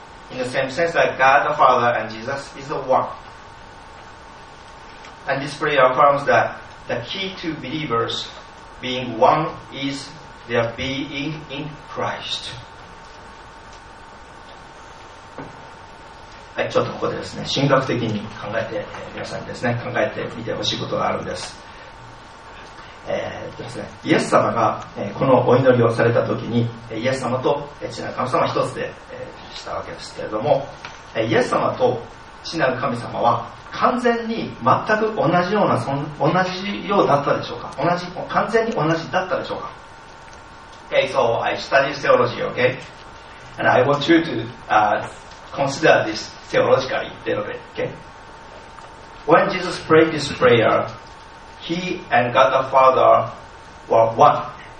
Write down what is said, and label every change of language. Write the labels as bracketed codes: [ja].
[en] In the same sense that God the Father and Jesus is the one. And this prayer affirms that the key to believers being one is their being in Christ. [ja] はい、ちょっとここでですね、神学的に考えて、皆さんにですね、考えてみてほしいことがあるんです。イエス様が、このお祈りをされたときに、イエス様と父なる神様一つで、したわけですけれども、イエス様と父なる神様は完全に全く同じような同じようだったでしょうか、同じ完全に同じだったでしょうか。 [en] Okay, so I studied theology, okay? And I want you to consider this theologically a little bit, okay? When Jesus prayed this prayer, he and God the Father were one.